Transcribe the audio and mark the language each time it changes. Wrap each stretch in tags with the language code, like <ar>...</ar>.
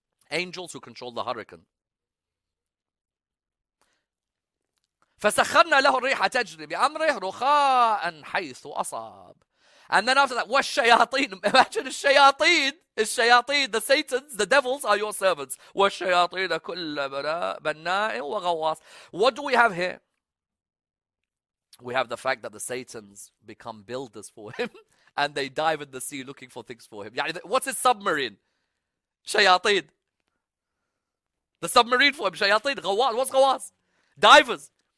<en>Angels who control the hurricane.</en> <ar>فَسَخَّرْنَا لَهُ الرِّيحَ تَجْرِ بِأَمْرِهِ رُخَاءً حَيْثُ أَصَابُ.</ar> <en>And then after that, والشياطين. Imagine الشياطين, the Satans, the devils are your servants.</en> <ar>والشياطين كل بناء وغواص.</ar> <en>What do we have here? We have the fact that the Satans become builders for him and they dive in the sea looking for things for him. What's his submarine? شياطين. The submarine for him, شياطين, غواص. What's غواص? Divers.</en>